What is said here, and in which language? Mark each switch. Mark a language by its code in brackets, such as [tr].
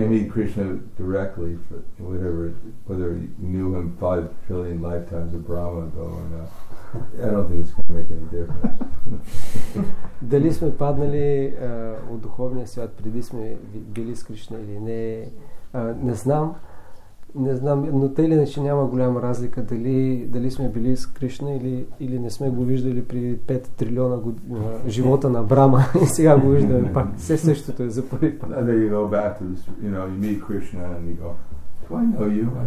[en] You meet Krishna directly, whether you knew him 5 trillion lifetimes of Brahma ago or not. I don't think it's going to make any difference. [bg] Дали сме паднали от духовния свят, преди сме били с Кришна или не, не знам. Не знам, но те ли не няма голяма разлика дали сме били с Кришна или не сме го виждали при 5 трилиона живота на Брама и сега го виждаме пак. Все същото е за първи път. [en] And then you go back to this, you know, you meet Krishna and you go, do I know you?